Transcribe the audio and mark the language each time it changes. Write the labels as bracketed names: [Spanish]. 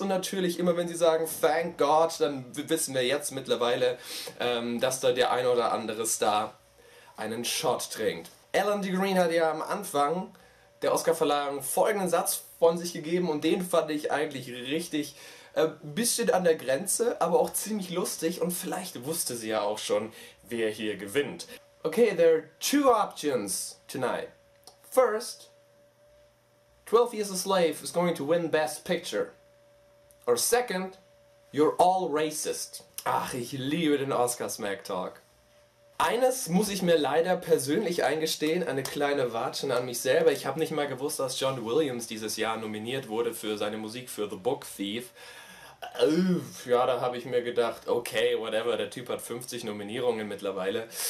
[German] Und natürlich immer, wenn sie sagen, [English] thank God, [German] dann wissen wir jetzt mittlerweile, dass da der ein oder andere Star einen Shot trinkt. Ellen DeGeneres hat ja am Anfang der Oscar-Verleihung folgenden Satz von sich gegeben und den fand ich eigentlich richtig bisschen an der Grenze, aber auch ziemlich lustig und vielleicht wusste sie ja auch schon, wer hier gewinnt. [English] Okay, there are two options tonight. First, 12 Years a Slave is going to win Best Picture. Or second, you're all racist. [German] Ach, ich liebe den Oscar-Smack-Talk. Eines muss ich mir leider persönlich eingestehen, eine kleine Watschen an mich selber. Ich habe nicht mal gewusst, dass John Williams dieses Jahr nominiert wurde für seine Musik für The Book Thief. Ja, da habe ich mir gedacht, okay, whatever, der Typ hat 50 Nominierungen mittlerweile.